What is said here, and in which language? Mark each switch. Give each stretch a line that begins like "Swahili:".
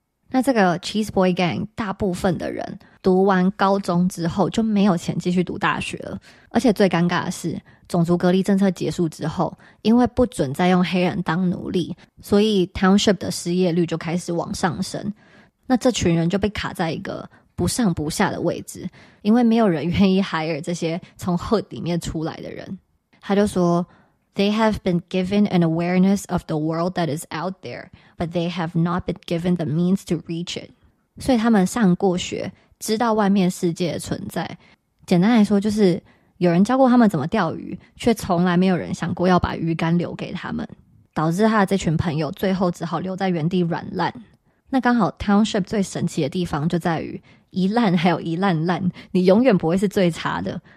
Chinese: 那这个 cheese boy gang 大部分的人读完高中之后就没有钱继续读大学了，而且最尴尬的是种族隔离政策结束之后，因为不准再用黑人当奴隶，所以 Township 的失业率就开始往上升。那这群人就被卡在一个不上不下的位置，因为没有人愿意 hire 这些从 hood 里面出来的人。他就说
English: They have been given an awareness of the world that is out there, but they have not been given the means to reach it.
Chinese: 所以他们上过学，知道外面世界的存在，简单来说就是有人教过他们怎么钓鱼，却从来没有人想过要把鱼竿留给他们，导致他的这群朋友最后只好留在原地软烂。那刚好 Township 最神奇的地方就在于一烂还有一烂烂，你永远不会是最差的。